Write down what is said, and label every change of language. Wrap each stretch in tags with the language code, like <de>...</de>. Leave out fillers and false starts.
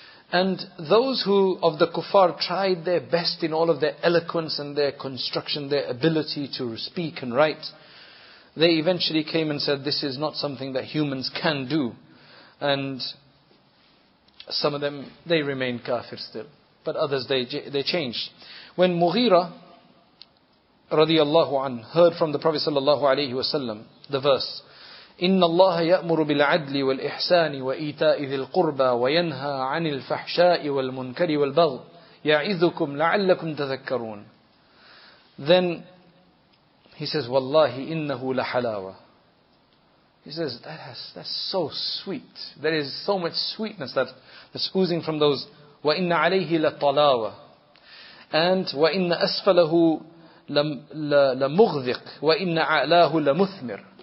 <en>And those who of the kuffar tried their best in all of their eloquence and their construction, their ability to speak and write, they eventually came and said, this is not something that humans can do. And some of them, they remained kafir still. But others, they changed. When Mughira radiallahu anhu heard from the Prophet sallallahu alayhi wasallam the verse,</en> <ar>إن الله يأمر بالعدل والإحسان وإيتاء ذي القربى وينهى عن الفحشاء والمنكر والبغي يعظكم لعلكم تذكرون.</ar> <en>Then he says,</en> <ar>والله إنه لحلاوة.</ar> <en>He says, that's so sweet. There is so much sweetness that's oozing from those.</en> <ar>وإن عليه لطلاوة.</ar> <en>And</en> <ar>وإن أسفله لمغذق وإن أعلاه لمثمر.</ar>